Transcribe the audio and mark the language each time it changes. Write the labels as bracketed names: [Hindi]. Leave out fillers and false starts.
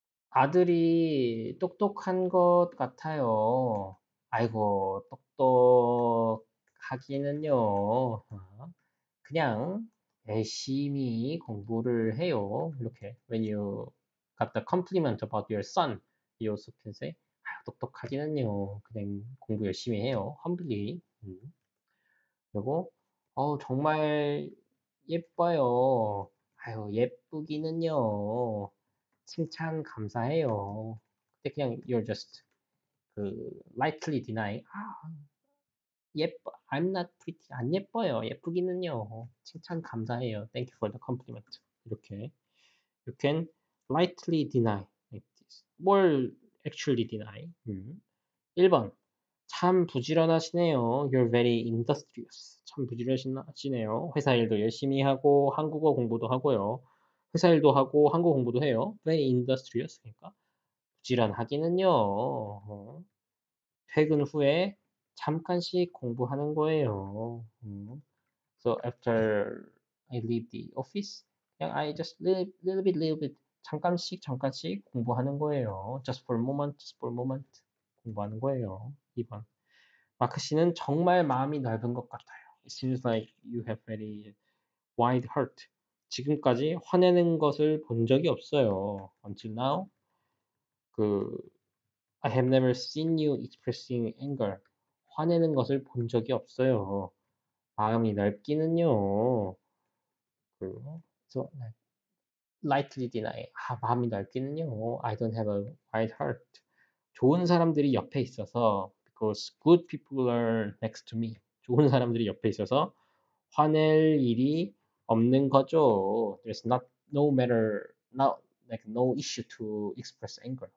[Korean] 아들이 똑똑한 것 같아요. 아이고, 똑똑하기는요. 그냥 열심히 공부를 해요. 이렇게. [English] When you got the compliment about your son. You also can say, [Korean] 똑똑하기는요. 그냥 공부 열심히 해요. [English] Humbly. [Korean] 그리고, 정말 예뻐요. 아유, 예쁘기는요. 칭찬 감사해요. 근데 그냥, [English] you're just, lightly deny. [Korean] 예뻐. [English] I'm not pretty. [Korean] 안 예뻐요. 예쁘기는요. 칭찬 감사해요. [English] Thank you for the compliment. [Korean] 이렇게. [English] You can lightly deny like this. [Korean] 뭘, [English] Actually deny. [Korean] 1번. 참 부지런하시네요. [English] You're very industrious. [Korean] 참 부지런하시네요. 회사 일도 열심히 하고, 한국어 공부도 하고요. 회사 일도 하고, 한국어 공부도 해요. [English] Very industrious. [Korean] 그러니까. 부지런하기는요. 퇴근 후에 잠깐씩 공부하는 거예요. [English] So after I leave the office, I just little bit. [Korean] 잠깐씩 공부하는 거예요. [English] Just for a moment, [Korean] 공부하는 거예요. 2번. 마크 씨는 정말 마음이 넓은 것 같아요. [English] It seems like you have very wide heart. [Korean] 지금까지 화내는 것을 본 적이 없어요. [English] Until now, I have never seen you expressing anger. [Korean] 화내는 것을 본 적이 없어요. 마음이 넓기는요. [English] So, lightly deny. [Korean] 아, 마음이 넓기는요. [English] I don't have a wide heart. [Korean] 좋은 사람들이 옆에 있어서, [English] because good people are next to me. [Korean] 좋은 사람들이 옆에 있어서 화낼 일이 없는 거죠. [English] There's not no matter, not like no issue to express anger.